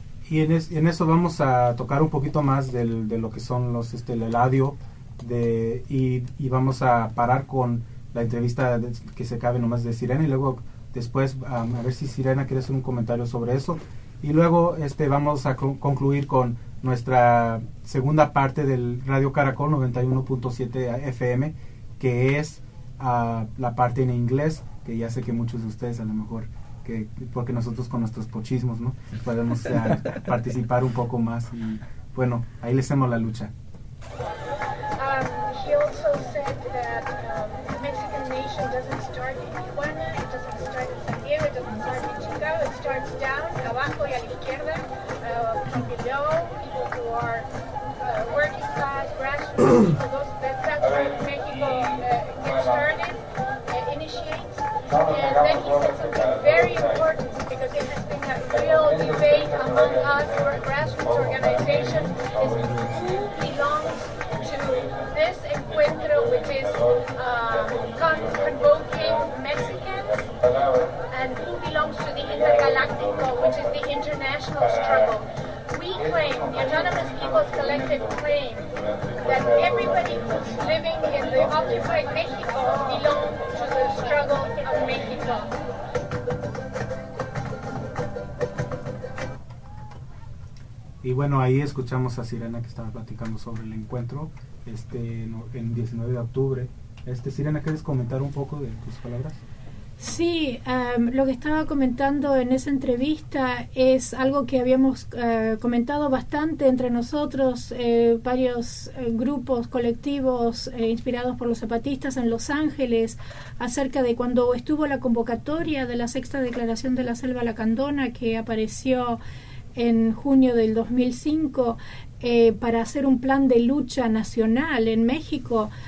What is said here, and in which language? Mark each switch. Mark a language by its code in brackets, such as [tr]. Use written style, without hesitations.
[es] Y en eso vamos a tocar un poquito más de lo que son los el audio y vamos a parar con la entrevista que se acabe nomás de Sirena, y luego después a ver si Sirena quiere hacer un comentario sobre eso, y luego vamos a concluir con nuestra segunda parte del Radio Caracol 91.7 FM, que es la parte en inglés, que ya sé que muchos de ustedes a lo mejor porque nosotros con nuestros pochismos, ¿no?, podemos participar un poco más, y bueno, ahí le hacemos la lucha. [en] He also said that the Mexican nation doesn't start in Tijuana, it doesn't start in San Diego, it doesn't start in Chicago, it starts down, [es] abajo y a la izquierda, [en] below, people who are working class, grassroots, people, those that's how Mexico gets started, initiates, and then he said something very important, because it has been a real debate among us for grassroots organization, is who belongs to this encuentro, which is convoking Mexicans, and who belongs to the Intergaláctico, which is the international struggle. We claim, the Autonomous Peoples Collective claim, that everybody who's living in the occupied Mexico belongs to the struggle of Mexico. [es] Y bueno, ahí escuchamos a Sirena que estaba platicando sobre el encuentro en 19 de octubre. Sirena, ¿quieres comentar un poco de tus palabras? Sí, lo que estaba comentando en esa entrevista es algo que habíamos comentado bastante entre nosotros, varios grupos colectivos inspirados por los zapatistas en Los Ángeles, acerca de cuando estuvo la convocatoria de la sexta declaración de la Selva Lacandona, que apareció en junio del 2005 para hacer un plan de lucha nacional en México.